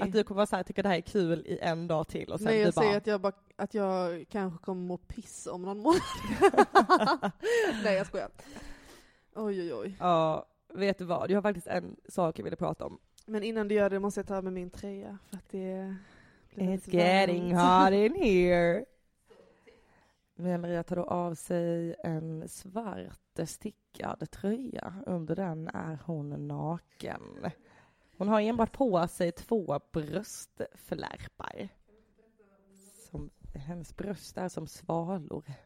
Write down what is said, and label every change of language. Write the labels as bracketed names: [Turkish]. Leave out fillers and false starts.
[Swedish] Att du kommer vara så här, tycka det här är kul i en dag till? Och sen nej, jag säger att jag kanske kommer må piss om någon månad. Nej, jag skojar. Oj, oj, oj. Ja, vet du vad? Jag har faktiskt en sak jag ville prata om. Men innan du gör det måste jag ta med min tröja. För att det blir [English] it's getting hot in here. [Swedish] Men Maria tar då av sig en svart stickad tröja. Under den är hon naken. Hon har enbart på sig 2 bröstflärpar. Som, hennes bröst är som svalor.